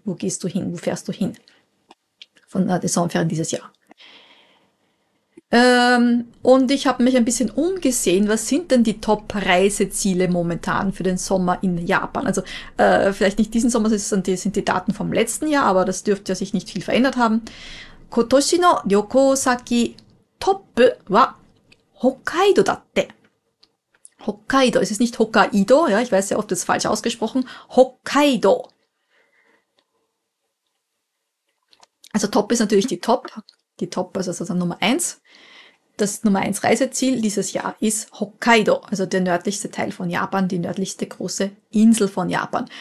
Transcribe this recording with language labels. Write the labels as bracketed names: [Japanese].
[German] Wo gehst du hin? Wo fährst du hin? Von den Sommerferien dieses Jahr. Und ich habe mich ein bisschen umgesehen, was sind denn die Top-Reiseziele momentan für den Sommer in Japan? Also vielleicht nicht diesen Sommer, sind die Daten vom letzten Jahr, aber das dürfte ja sich nicht viel verändert haben. [Japanese] 今年の旅行先トップは北海道だって。 [German] 北海道、es ist nicht Hokkaido, ja, ich weiß ja, ob das falsch ausgesprochen, Hokkaido. Also Top ist natürlich die Top, also sozusagen Nummer 1. Das Nummer 1 Reiseziel dieses Jahr ist Hokkaido, also der nördlichste Teil von Japan, die nördlichste große Insel von Japan.